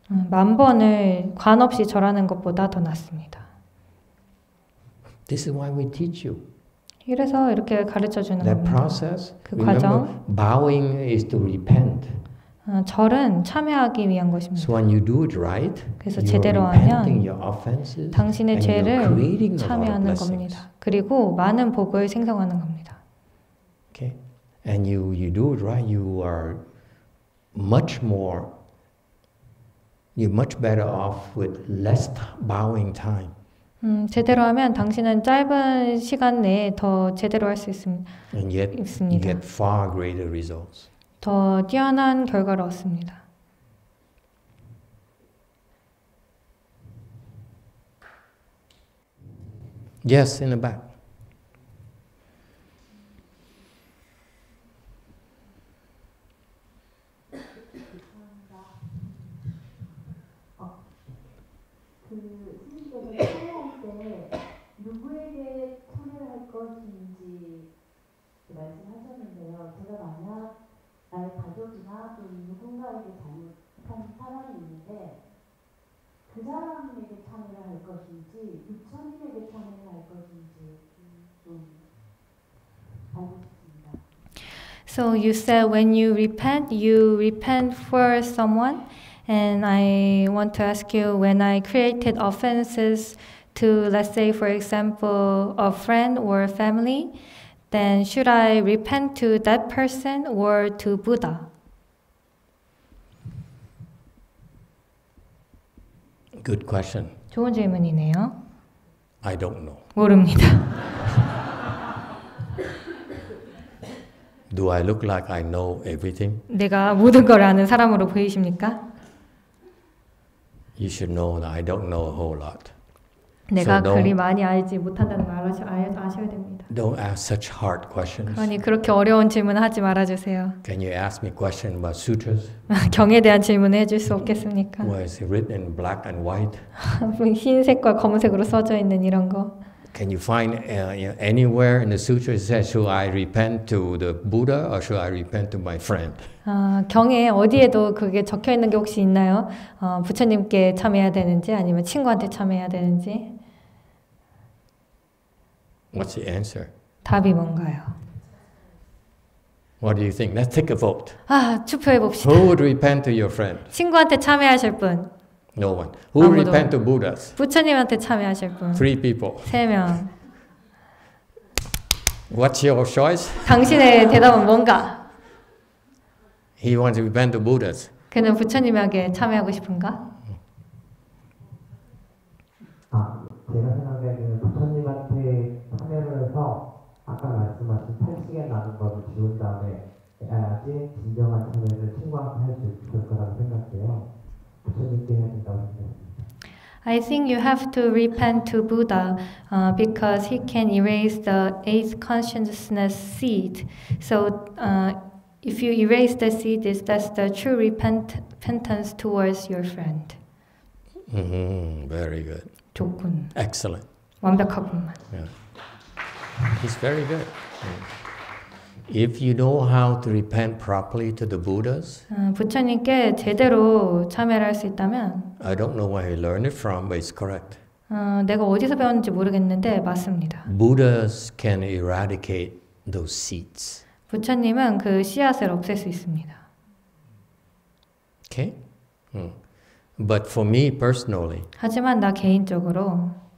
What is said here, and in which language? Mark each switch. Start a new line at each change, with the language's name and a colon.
Korean: 만 번을 관 없이 절하는 것보다 더 낫습니다.
English: This is why we teach you.
Korean: 이래서 이렇게 가르쳐 주는 겁니다.
English: That process,
Korean: 그 과정,
English: bowing is to repent.
Korean: 절은 참회하기 위한 것입니다.
English: So when you do it right,
Korean: 그래서 제대로 하면 당신의 죄를 참회하는 겁니다. 그리고 많은 복을 생성하는 겁니다.
English: Okay. And you do it right, you're much better off with less bowing time.
Korean: 제대로 하면 당신은 짧은 시간 내에 더 제대로 할 수 있습니다.
English: And yet you get far greater results.
Korean: 더 뛰어난 결과를 얻습니다.
English: Yes, in the back.
Korean: 그 사람에게 참회할 것인지 부처님에게 참회할 것인지 좀 알겠습니다.
English: So you said when you repent for someone, and I want to ask you when I created offenses to, let's say for example, a friend or a family, then should I repent to that person or to Buddha? Good question.
Korean: 좋은 질문이네요.
English: I don't know.
Korean: 모릅니다.
English: Do I look like I know everything?
Korean: 내가 모든 걸 아는 사람으로 보이십니까?
English: You should know that I don't know a whole lot.
Korean: 내가 그리 많이 알지 못한다는 걸 아셔야 됩니다.
English: Don't ask such hard questions.
Korean: 그러니 그렇게 어려운 질문 하지 말아주세요.
English: Can you ask me questions about sutras?
Korean: 경에 대한 질문을 해줄 수 없겠습니까?
English: What is it written in black and white?
Korean: 흰색과 검은색으로 써져 있는 이런 거.
English: Can you find anywhere in the sutras that should I repent to the Buddha or should I repent to my friend?
Korean: 경에 어디에도 그게 적혀 있는 게 혹시 있나요? 부처님께 참여해야 되는지 아니면 친구한테 참여해야 되는지?
English: What's the answer?
Korean: 답이 뭔가요?
English: What do you think? Let's take a vote.
Korean: 아, 투표해 봅시다.
English: Who would repent to your friend?
Korean: 친구한테 참회하실 분.
English: No one. Who would repent to Buddhas?
Korean: 부처님한테 참회하실 분.
English: Three people.
Korean: 세 명.
English: What's your choice?
Korean: 당신의 대답은 뭔가?
English: He wants to repent to Buddhas.
Korean: 그는 부처님에게 참회하고 싶은가? 아, 제가 생각하기에는 부처님한테 참회를 해서 아까 말씀하신 탈식에 나는 것을 지운 다음에 해야지 진정한 참회를 친구한테 할 수 있을 거라고 생각해요. 부처님께 해야 된다고 생각합니다.
English: I think you have to repent to Buddha because he can erase the eighth consciousness seed. So if you erase the seed, that's the true repentance towards your friend. Mm-hmm. Very good.
Korean: 좋군.
English: Excellent.
Korean: 완벽하군만.
English: Yeah. He's very good. Yeah. If you know how to repent properly to the Buddhas,
Korean: 부처님께 제대로 참회를 할 수 있다면,
English: I don't know where he learned it from, but it's correct.
Korean: 내가 어디서 배웠는지 모르겠는데 맞습니다.
English: Buddhas can eradicate those seeds.
Korean: 부처님은 그 씨앗을 없앨 수 있습니다.
English: Okay. But for me personally,
Korean: 하지만 나 개인적으로,